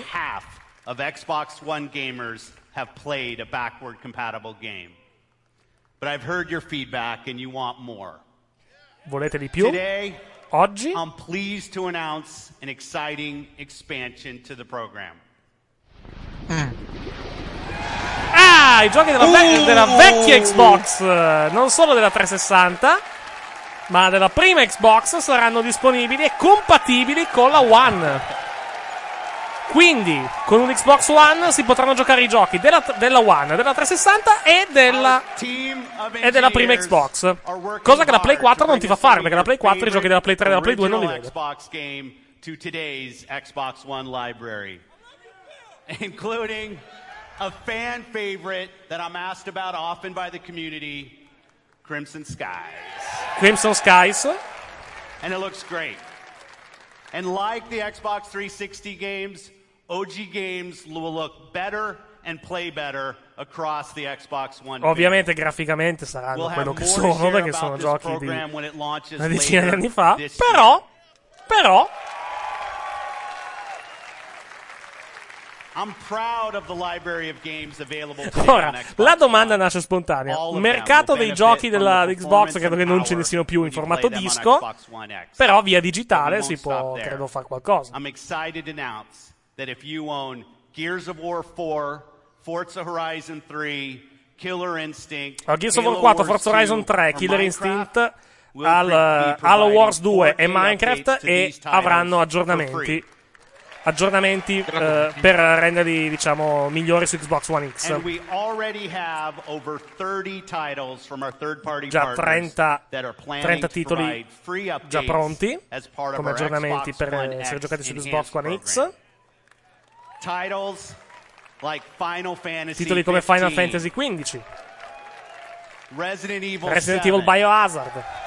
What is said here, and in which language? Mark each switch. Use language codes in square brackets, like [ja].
[en] Over half of Xbox One gamers have played a backward compatible game. But I've heard your feedback and you want more. [it] volete di più? [en] Today, [it] oggi [en] I'm pleased to announce an exciting expansion to the program. [it] Ah, i giochi della, della vecchia Xbox, non solo della 360, ma della prima Xbox, saranno disponibili e compatibili con la One. Quindi, con un Xbox One si potranno giocare i giochi della, della One, della 360 e della prima Xbox. Cosa che la Play 4 non ti fa fare, perché la Play 4 i giochi della Play 3 e della Play 2 non li vede. [en] Xbox game to today's Xbox One library, including a fan favorite that I'm asked about often by the community, Crimson Skies. Crimson Skies. And it looks great. And like the Xbox 360 games, OG games will look better and play better across the Xbox One. [it] Ovviamente graficamente saranno quello che sono, perché sono giochi di una decina di anni fa. Però [en] I'm proud of the library of games available. [it] Ora, la domanda nasce spontanea. Il mercato dei giochi della Xbox, credo che non ce ne siano più in formato disco, però via digitale si può, credo, fare qualcosa. [en] I'm excited to announce that if you own Gears of War 4, Forza Horizon 3, Killer Instinct, [it] Gears of War 4, Forza Horizon 3, Killer Instinct, Halo Wars 2 e Minecraft, e avranno aggiornamenti. Aggiornamenti per renderli, diciamo, migliori su Xbox One X. [en] And we already have over 30 titles from our third party partners. [it] 30 titoli già pronti come aggiornamenti per essere giocati su Xbox One X. [en] Titles like Final Fantasy, [it] titoli come Final Fantasy 15, [en] Resident Evil, [it] Resident Evil Biohazard,